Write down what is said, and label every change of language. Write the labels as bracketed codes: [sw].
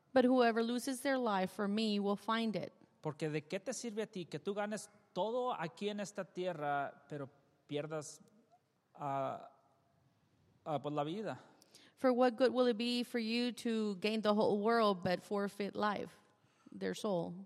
[en] But whoever loses their life for me will find it. [es] Porque de qué te sirve a ti que tú ganes todo aquí en esta tierra, pero pierdas la vida. [en] For what good will it be for you to gain the whole world but forfeit life, their soul?